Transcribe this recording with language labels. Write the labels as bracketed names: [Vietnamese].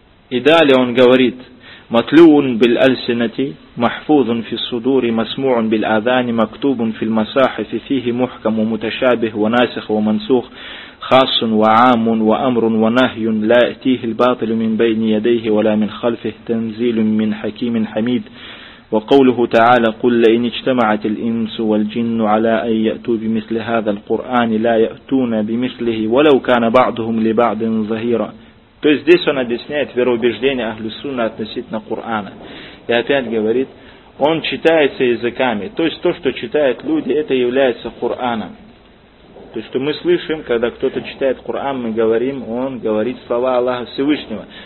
[Russian] И далее он говорит: [Arabic] «Матлюун биль альсинати, махфузун фи судури, масмуун биль адани, мактубун фи лмасахифи, фихи мухкаму муташабих, ва насих, ва мансух». خاص وعام وأمر ونهي لا يأتيه الباطل من بين يديه ولا من خلفه تنزيل من حكيم حميد وقوله تعالى قل لئن اجتمعت الإنس والجن على أن يأتوا بمثل هذا القرآن لا يأتون بمثله ولو كان بعضهم لبعض ظهيرا. [Russian] То есть здесь он объясняет вероубеждение Ахлю Сунна относительно Корана. И опять говорит, он читается языками. То есть то, что читают люди, это является Кораном. То есть, что мы слышим, когда кто-то читает Коран, мы говорим, он говорит слова Аллаха Всевышнего.